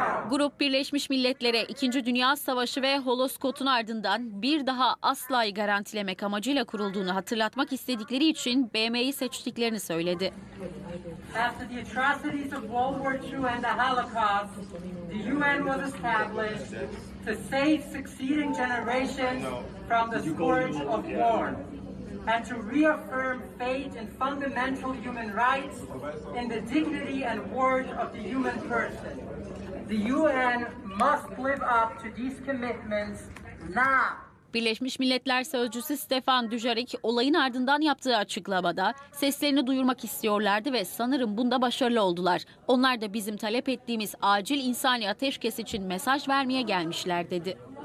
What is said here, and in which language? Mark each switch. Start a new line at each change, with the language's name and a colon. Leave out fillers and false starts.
Turkish: Grup Birleşmiş Milletler'e 2. Dünya Savaşı ve Holocaust'un ardından bir daha asla'yı garantilemek amacıyla kurulduğunu hatırlatmak istedikleri için BM'yi seçtiklerini söyledi.
English: After the atrocities of World War II and the Holocaust, the UN was established to save succeeding generations from the scourge of war. And to reaffirm faith in fundamental human rights, in the dignity and worth of the human person. The UN must live up to these commitments now.
Turkish: Birleşmiş Milletler Sözcüsü Stefan Dujarric olayın ardından yaptığı açıklamada seslerini duyurmak istiyorlardı ve sanırım bunda başarılı oldular. Onlar da bizim talep ettiğimiz acil insani ateşkes için mesaj vermeye gelmişler dedi.